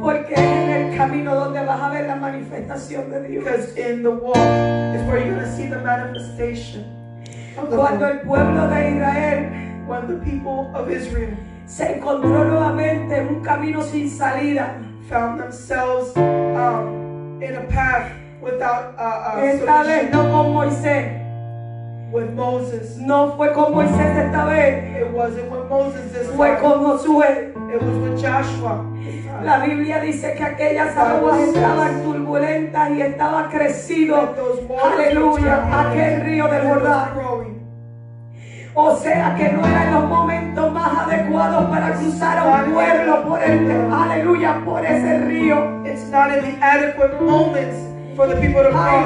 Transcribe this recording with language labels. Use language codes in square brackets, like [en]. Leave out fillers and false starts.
[es] porque en el camino donde vas a ver la manifestación de Dios. [en] Because in the walk is where you're going to see the manifestation. [es] Cuando el pueblo de Israel, [en] when the people of Israel, [es] se encontró nuevamente en un camino sin salida, [en] found themselves in a path without [es] esta vez no con Moisés, [en] with Moses, [es] no fue con Moisés esta vez, [en] it wasn't with Moses this [es] fue [en] time, [es] con Josué, [en] it was with Joshua. [es] La Biblia dice que aquellas aguas estaban turbulentas y estaba crecido, aleluya, aquel río del Jordán. O sea que no eran los momentos más adecuados para cruzar a un pueblo por el, aleluya, por ese río. [en] It's not in the adequate moments for the people to cross.